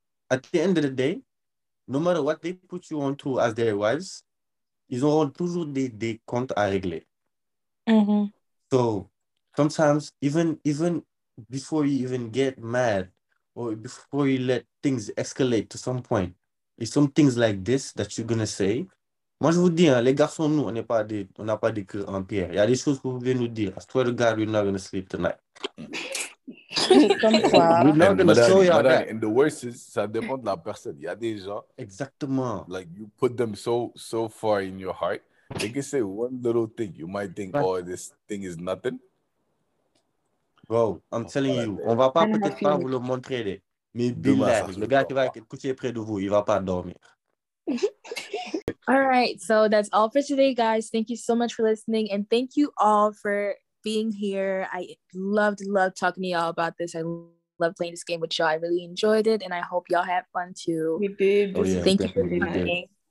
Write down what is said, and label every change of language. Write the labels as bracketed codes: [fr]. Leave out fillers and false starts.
[en] At the end of the day, no matter what they put you on to as their wives, [fr] ils auront toujours des comptes à régler. Mm-hmm. [en] So sometimes, even before you even get mad or before you let things escalate to some point, it's some things like this that you're going to say. [fr] Moi, je vous dis, hein, les garçons, nous, on n'a pas de cœur en pierre. Il y a des choses que vous pouvez nous dire. [en] I swear to God, we're not going to sleep tonight. And the worst is, [fr] ça dépend de la personne. Il y a des gens. Exactement. [en] Like, you put them so far in your heart. They can say one little thing. You might think, oh, this thing is nothing. Bro, I'm telling you, [fr] on ne va pas peut-être pas vous le montrer. Mais bilan, le gars qui va écouter près de vous, il ne va pas dormir. [en] All right, so that's all for today, guys. Thank you so much for listening, and thank you all for being here. I loved talking to y'all about this. I love playing this game with y'all. I really enjoyed it, and I hope y'all had fun too. We did. Oh, yeah, thank you for listening.